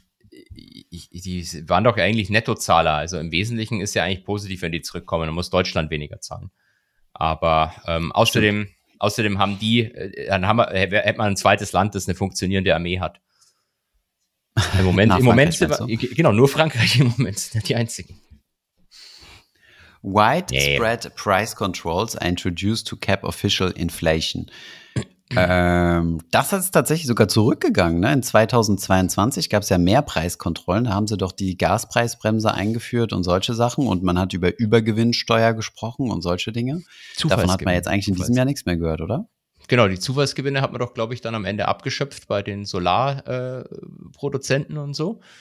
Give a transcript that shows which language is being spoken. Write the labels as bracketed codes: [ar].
[de] Die waren doch eigentlich Nettozahler. Also im Wesentlichen ist ja eigentlich positiv, wenn die zurückkommen. Dann muss Deutschland weniger zahlen. Aber außerdem Außerdem haben die, dann hätte man ein zweites Land, das eine funktionierende Armee hat. Im Moment sind wir, genau, nur Frankreich im Moment sind die einzigen. [en] Widespread price controls are introduced to cap official inflation. [de] Das ist tatsächlich sogar zurückgegangen. Ne? In 2022 gab es ja mehr Preiskontrollen. Da haben sie doch die Gaspreisbremse eingeführt und solche Sachen. Und man hat über Übergewinnsteuer gesprochen und solche Dinge. Davon hat man jetzt eigentlich in diesem Jahr nichts mehr gehört, oder? Genau, die Zufallsgewinne hat man doch, glaube ich, dann am Ende abgeschöpft bei den Solarproduzenten und so.